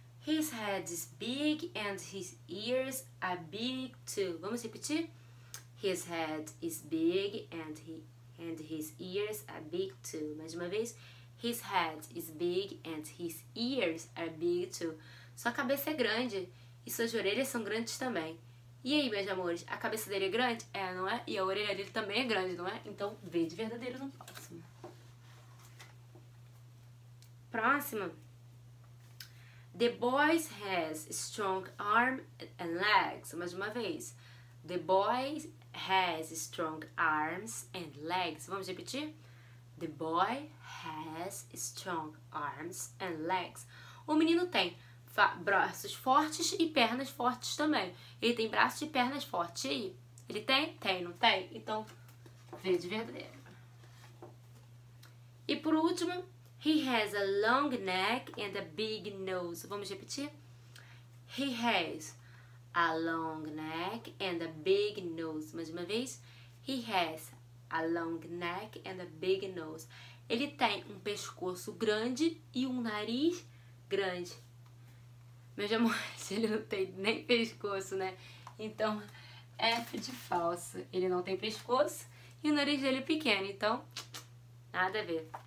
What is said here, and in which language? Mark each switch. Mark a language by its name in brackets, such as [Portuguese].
[English] His head is big and his ears are big too. [Portuguese] Vamos repetir? [English] His head is big and his ears are big too. [Portuguese] Mais uma vez. [English] His head is big and his ears are big too. [Portuguese] Sua cabeça é grande e suas orelhas são grandes também. E aí, meus amores? A cabeça dele é grande? É, não é? E a orelha dele também é grande, não é? Então, V de verdadeiro no próximo. Próxima. [English] The boy has strong arm and legs. [Portuguese] Mais uma vez. [English] The boy has strong arms and legs. [Portuguese] Vamos repetir? [English] The boy has strong arms and legs. [Portuguese] O menino tem braços fortes e pernas fortes também. Ele tem braços e pernas fortes. E ele tem? Tem, não tem? Então, V de verdadeiro. E por último... [English] He has a long neck and a big nose. [Portuguese] Vamos repetir? [English] He has a long neck and a big nose. [Portuguese] Mais uma vez. [English] He has a long neck and a big nose. [Portuguese] Ele tem um pescoço grande e um nariz grande. Meus amores, ele não tem nem pescoço, né? Então, F de falso. Ele não tem pescoço e o nariz dele é pequeno. Então, nada a ver.